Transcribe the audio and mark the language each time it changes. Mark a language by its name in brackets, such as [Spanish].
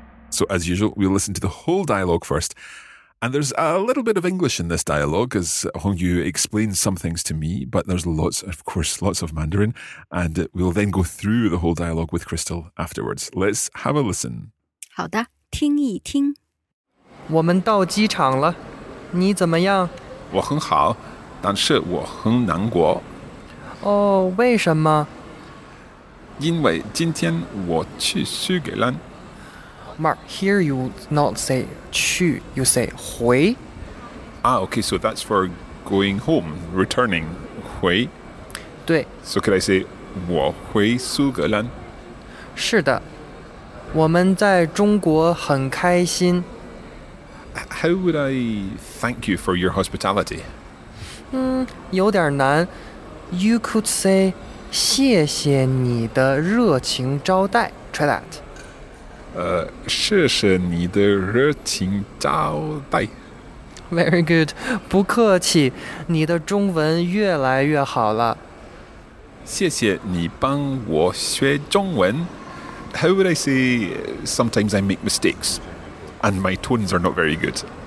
[English] So as usual, we'll listen to the whole dialogue first. And there's a little bit of English in this dialogue as Hong Yu explains some things to me, but there's lots, of course, lots of Mandarin. And we'll then go through the whole dialogue with Crystal afterwards. Let's have a listen. [Chinese] 好的,听一听。我们到机场了,你怎么样?我很好,但是我很难过。哦,为什么?因为今天我去苏格兰。 [English] Mark, here you not say 去, you say 回. Ah, okay, so that's for going home, returning, 回. [Chinese] 对. [English] So could I say [Chinese] 我回苏格兰? 是的, 我们在中国很开心. [English] How would I thank you for your hospitality? [Chinese] 有点难. [English] You could say [Chinese] 谢谢你的热情招待. [English] Try that. [Chinese] 谢谢你的热情招待. [English] Very good. [Chinese] 不客气, 你的中文越来越好了. 谢谢你帮我学中文. [English] How would I say sometimes I make mistakes and my tones are not very good?